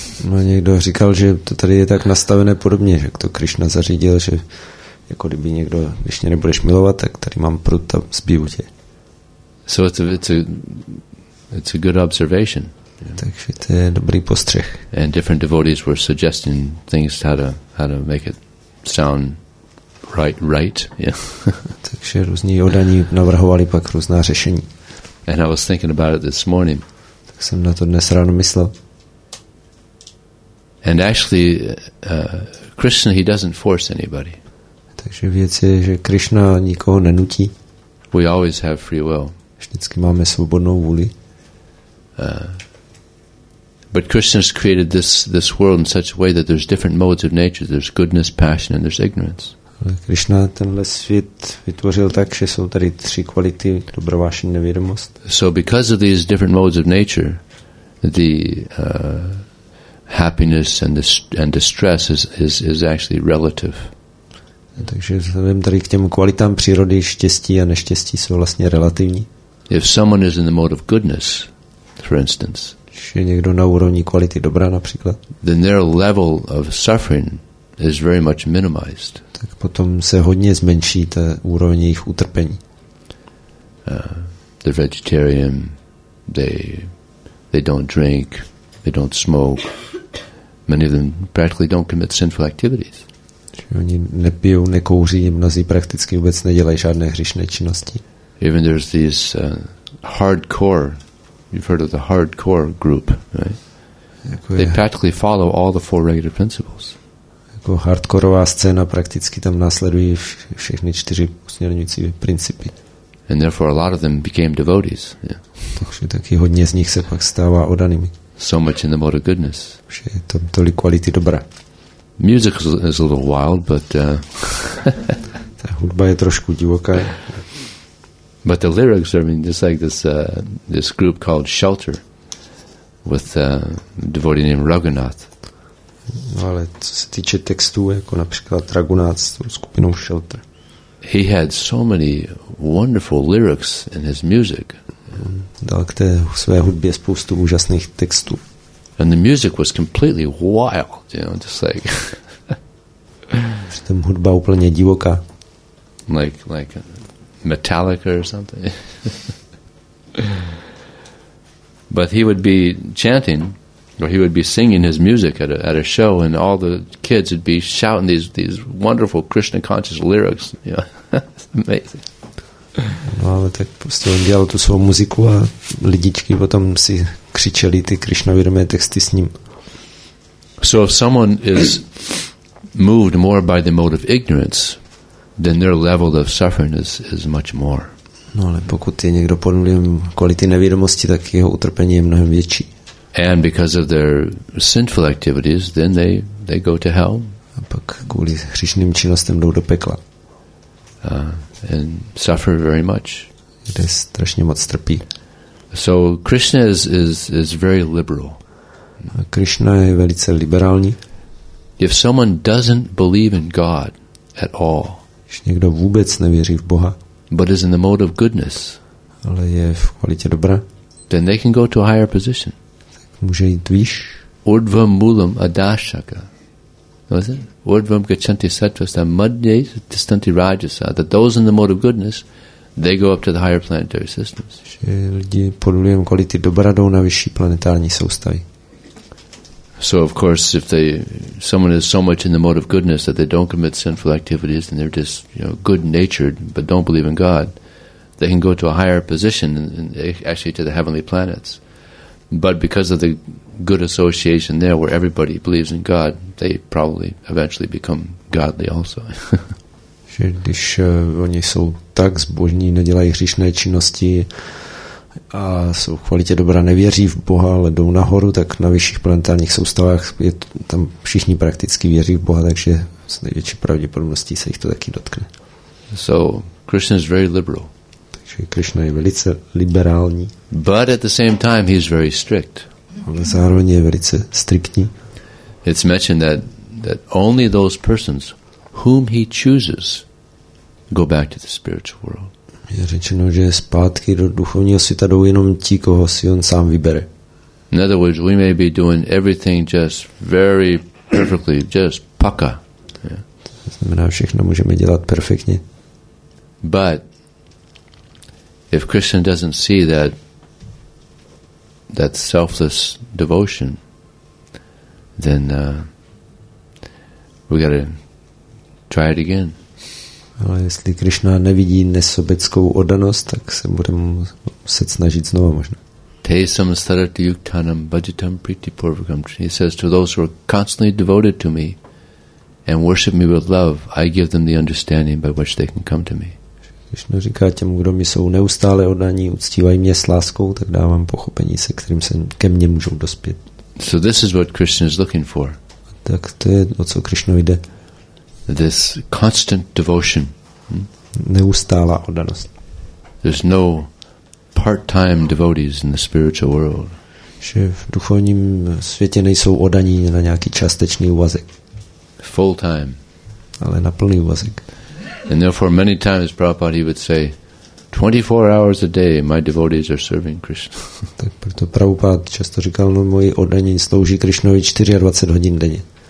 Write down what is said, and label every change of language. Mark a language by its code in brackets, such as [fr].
[cs] No, někdo říkal, že to tady je tak nastavené podobně, jak to Krishna zařídil, že jako kdyby někdo, když mě nebudeš milovat, tak tady mám prut, tam zbiju tě. [en] So it's a good observation. [cs] Takže to je dobrý postřeh. [en] And different devotees were suggesting things how to make it sound right, yeah. [cs] Takže různí jodaní navrhovali pak různá řešení. [en] And I was thinking about it this morning. [cs] Tak jsem na to dnes ráno myslel. [en] And actually, Krishna, he doesn't force anybody. [cs] Takže věc je, že Krishna nikoho nenutí. [en] We always have free will. [cs] Vždycky máme svobodnou vůli. [en] But Krishna's created this world in such a way that there's different modes of nature. There's goodness, passion, and there's ignorance. [cs] Krishna tenhle svět vytvořil tak, že jsou tady tři kvality, dobrovášeň, nevědomost. [en] So because of these different modes of nature, the happiness and distress is actually relative. [cs] Takže vzhledem tady k těm kvalitám přírody, štěstí a neštěstí jsou vlastně relativní. [en] If someone is in the mode of goodness, for instance, [cs] když je někdo na úrovni kvality dobra například, [en] then their level of suffering is very much minimized. [cs] Tak potom se hodně zmenší ta úroveň jejich utrpení. [en] The vegetarian, they don't drink, they don't smoke. Many of them practically don't commit sinful activities. [cs] Oni nepijou, nekouří, mnozí prakticky vůbec nedělají žádné hříšné činnosti. [en] Even there's these hardcore, you've heard of the hardcore group, right? They practically follow all the four regular principles. [cs] Jako hardkorová scéna prakticky tam následují všechny čtyři usměrňující principy. [en] And therefore a lot of them became devotees. Yeah. [cs] Takže taky hodně z nich se pak stává oddanými. [en] So much in the mode of goodness. [cs] Že je tam tolik kvality dobra. [en] Music is a little wild, but [cs] ta hudba je trošku divoká. [en] But the lyrics, I mean, just like this this group called Shelter with a devotee named Raghunath. [cs] No, ale co se týče textů, jako například Raghunath s skupinou Shelter. [en] He had so many wonderful lyrics in his music. [cs] Dal k té své hudbě spoustu úžasných textů. [en] And the music was completely wild, you know, just like. [cs] Tam hudba úplně divoká. [en] Like Metallica or something. But he would be chanting, or he would be singing his music at a show, and all the kids would be shouting these wonderful Krishna conscious lyrics. You know, it's amazing. [cs] No, ale tak prostě on dělal tu svou muziku a lidičky potom si křičeli ty krišnavědomé texty s ním. [en] So if someone is moved more by the mode of ignorance, then their level of suffering is much more. [cs] No, ale pokud je někdo pod vlivem kvality nevědomosti, tak jeho utrpení je mnohem větší. [en] And because of their sinful activities, then they go to hell. [cs] A pak kvůli hříšným činnostem jdou do pekla. [en] And suffer very much. [cs] Kde strašně moc trpí. [en] So Krishna is very liberal. [cs] A Krishna je velice liberální. [en] If someone doesn't believe in God at all, [cs] když někdo vůbec nevěří v Boha, [en] but is in the mode of goodness, [cs] ale je v kvalitě dobra, [en] then they can go to a higher position. [cs] Tak může jít výš. [sa] Urdva mulam adashaka. [en] Was it? [sa] Urdvam gacchanti sattvastha madhye tisthanti rajasa. [en] That those in the mode of goodness, they go up to the higher planetary systems. [cs] Že lidi pod vlivem kvality dobra jdou na vyšší planetární soustavy. [en] So of course, if they someone is so much in the mode of goodness that they don't commit sinful activities and they're just, you know, good-natured but don't believe in God, they can go to a higher position and actually to the heavenly planets. But because of the good association there where everybody believes in God, they probably eventually become godly also. [cs] Že když oni jsou tak zbožní, nedělají hříšné činnosti a jsou v kvalitě dobra, nevěří v Boha, ale jdou nahoru, tak na vyšších planetárních soustavách je tam všichni prakticky věří v Boha, takže s největší pravděpodobností se jich to taky dotkne. [en] So Krishna is very liberal. [cs] Takže Krishna je velice liberální. [en] But at the same time he's very strict. [cs] Ale zároveň je velice striktní. [en] It's mentioned that only those persons whom he chooses go back to the spiritual world. [cs] Je řečeno, že zpátky do duchovního světa jdou jenom ti, koho si on sám vybere. [en] In other words, we may be doing everything just very perfectly, just paka. [cs] To znamená, všechno můžeme dělat perfektně. [en] But if Krishna doesn't see that selfless devotion, then we gotta try it again. [cs] Ale jestli Krishna nevidí nesobeckou oddanost, tak se budeme muset snažit znovu možná. [sa] Tesam starati yuktanam bhajatam priti purvakam. [en] He says to those who are constantly devoted to me and worship me with love, I give them the understanding by which they can come to me. [cs] Krishna říká těm, kdo mi jsou neustále oddaní, uctívají mě s láskou, tak dávám pochopení, se kterým se ke mně můžou dospět. [en] So this is what Krishna is looking for. [cs] Tak to je, o co Krishna jde. [en] This constant devotion. [cs] Neustálá oddanost. [en] There's no part-time devotees in the spiritual world. [cs] Že v duchovním světě nejsou oddaní na nějaký částečný úvazek. [en] Full-time. [cs] ale na plný úvazek. [en] And therefore many times Prabhupada he would say 24 hours a day my devotees are serving Krishna. [cs] Tak proto Prabhupada často říkal, no moji oddaní slouží Krišnovi 24 hodin denně.